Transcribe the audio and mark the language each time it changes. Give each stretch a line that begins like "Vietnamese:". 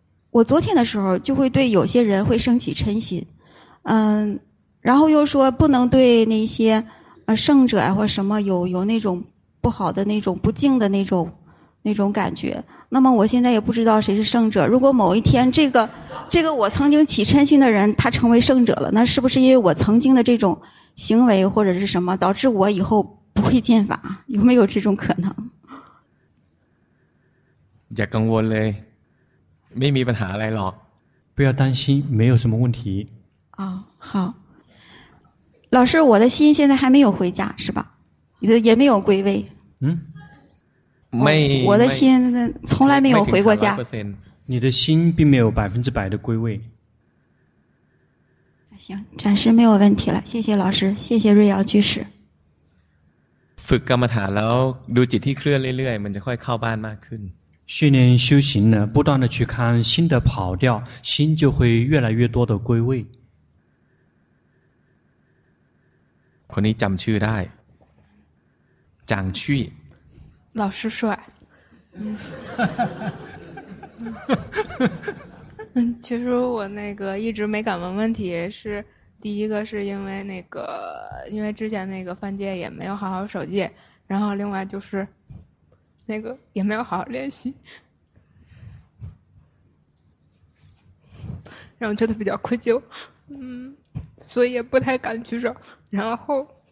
Chinese: 我昨天的时候就会对有些人会升起嗔心然后又说不能对那些圣者或什么有那种不好的那种不敬的那种感觉那么我现在也不知道谁是圣者如果某一天这个我曾经起嗔心的人他成为圣者了那是不是因为我曾经的这种行为或者是什么导致我以后不会见法有没有这种可能
Thai: อย่ากังวลเลยไม่มีปัญหาอะไรหรอก
Chinese: 不要担心没有什么问题啊好老师我的心现在还没有回家是吧也没有归位嗯没我的心从来没有回过家你的心并没有百分之百的归位行暂时没有问题了谢谢老师谢谢瑞瑶居士
Thai: ฝึกกรรมฐานแล้วดูจิตที่เคลื่อนเรื่อยๆมันจะค่อยเข้าบ้านมากขึ้น
Chinese: 训练修行呢不断的去看心的跑掉心就会越来越多的归位
Thai: คนนี้จำชื่อได้จางชุย
Chinese: 老师帅其实我那个一直没敢问问题是第一个是因为那个因为之前那个犯戒也没有好好守戒然后另外就是那个也没有好好练习让我觉得比较愧疚所以也不太敢举手然后